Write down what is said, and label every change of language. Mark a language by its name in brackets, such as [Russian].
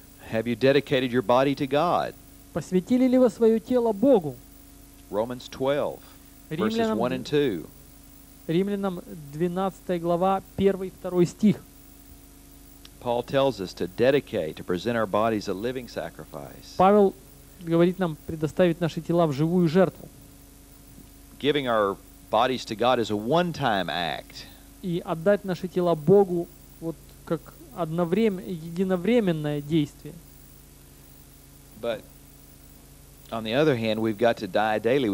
[English] Have you dedicated your body to God? [Russian] Посвятили ли вы свое тело Богу? [English] Romans 12, Римлянам, verses 1 and 2. [Russian] Римлянам 12 глава, 1 и 2 стих. [English] Paul tells us to dedicate, to present our bodies a living sacrifice. [Russian] Павел говорит нам предоставить наши тела в живую жертву. [English] Giving our bodies to God is a one-time act. [Russian] И отдать наши тела Богу вот как единовременное действие. [English] But on the other hand, we've got to die daily.